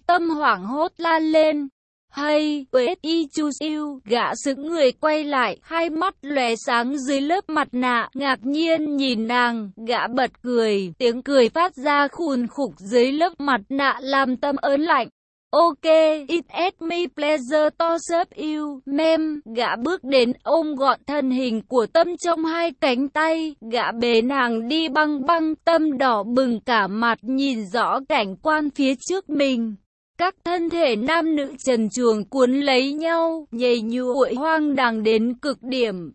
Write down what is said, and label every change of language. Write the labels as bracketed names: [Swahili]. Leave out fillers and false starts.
[Vietnamese] Tâm hoảng hốt la lên, hay, [English] wait, I choose you. [Vietnamese] Gã sững người quay lại, hai mắt lóe sáng dưới lớp mặt nạ, ngạc nhiên nhìn nàng. Gã bật cười, tiếng cười phát ra khùn khục dưới lớp mặt nạ làm Tâm ớn lạnh. [English] Ok, it is my pleasure to serve you, ma'am. [Vietnamese] Gã bước đến ôm gọn thân hình của Tâm trong hai cánh tay, gã bế nàng đi băng băng. Tâm đỏ bừng cả mặt nhìn rõ cảnh quan phía trước mình. Các thân thể nam nữ trần truồng cuốn lấy nhau, nhầy nhụa hoang đàng đến cực điểm.